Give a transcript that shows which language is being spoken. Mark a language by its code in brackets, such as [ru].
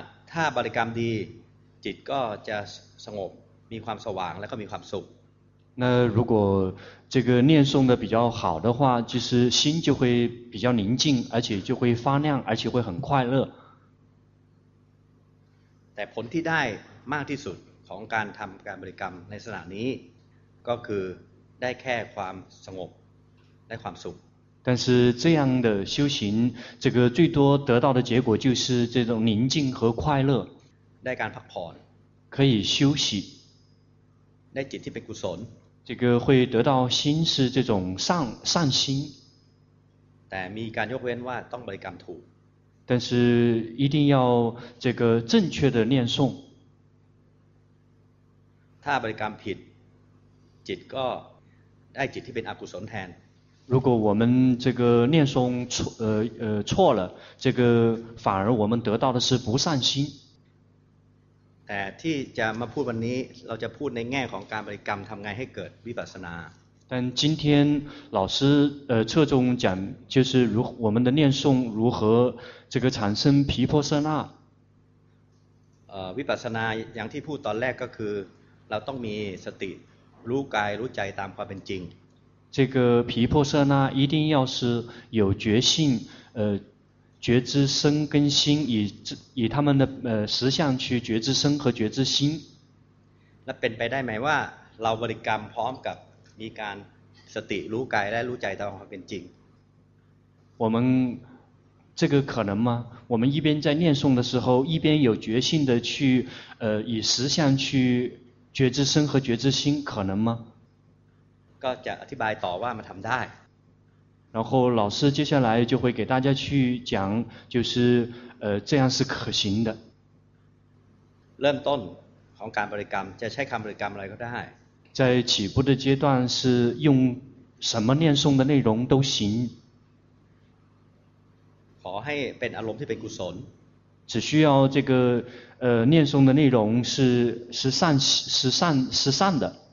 [th] ถ้าบริกรรมดีจิตก็จะสงบมีความสว่างแล้วก็มีความสุข [zh] 那如果这个念诵的比较好的话就是心就会比较宁静而且就会发亮而且会很快乐 [th] แต่ผลที่ได้มากที่สุดของการทำการบริกรรมในสถานนี้ก็คือได้แค่ความสงบได้ความสุข [zh] 但是这样的修行这个最多得到的结果就是这种宁静和快乐 [th] ได้การพักผ่อน [zh] 可以休息 [th] ได้จิตที่เป็นกุศล [zh] 这个会得到心是这种善心 [th] แต่มีการยกเว้นว่าต้องบริกรรมถูก [zh] 但是一定要这个正确的念诵 [th] ถ้าบริกรรมผิดจิตก็ได้จิตที่เป็นอกุศลแทน [zh] 如果我们这个念诵错了这个反而我们得到的是不善心 [th] แต่ที่จะมาพูดวันนี้เราจะพูดในแง่ของการบริกรรมทำไงให้เกิดวิปัสสนา [zh] 但今天老师侧重讲就是如我们的念诵如何这个产生毗婆舍那 [th] วิปัสสนาอย่างที่พูดตอนแรกก็คือเราต้องมีสติรู้กายรู้ใจตามความเป็นจริง [zh] 这个毗婆舍那一定要是有觉性觉知身跟心 以他们的实相去觉知身和觉知心 [th] 那เป็นไปได้ไหมว่าเราบริกรรมพร้อมกับมีการสติรู้กายและรู้ใจตามความเป็นจริง [zh] 我们这个可能吗我们一边在念诵的时候一边有觉性的去以实相去觉知身和觉知心可能吗 [th] ก็จะอธิบายต่อว่ามันทำได้ [zh] 然后老师接下来就会给大家去讲就是这样是可行的 [th] เริ่มต้นของการบริกรรมจะใช้คำบริกรรมอะไรก็ได้ [zh] 在起步的阶段是用什么念诵的内容都行 [th] ขอให้เป็นอารมณ์ที่เป็นกุศล [zh] 只需要这个念诵的内容是善的